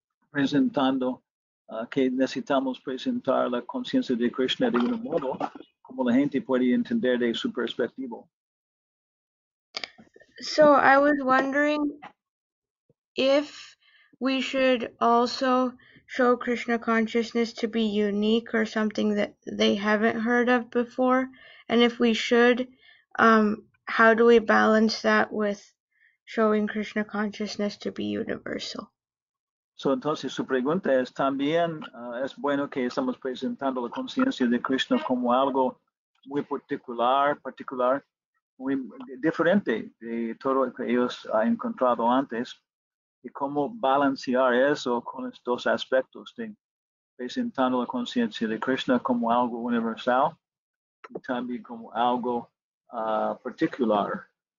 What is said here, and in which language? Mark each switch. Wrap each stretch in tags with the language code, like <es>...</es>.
<es>Presentando que necesitamos presentar la conciencia de Krishna de un modo como la gente puede entender de su perspectiva.</es> <en>So I was wondering if we should also show Krishna consciousness to be unique or something that they haven't heard of before, and if we should, how do we balance that with showing Krishna consciousness to be universal?</en> <es>So, entonces, su pregunta es, también es bueno que estamos presentando la conciencia de Krishna como algo muy particular, muy diferente de todo lo que ellos han encontrado antes. y cómo balancear eso con estos aspectos de presentando la conciencia de Krishna como algo universal y también como algo particular.</es>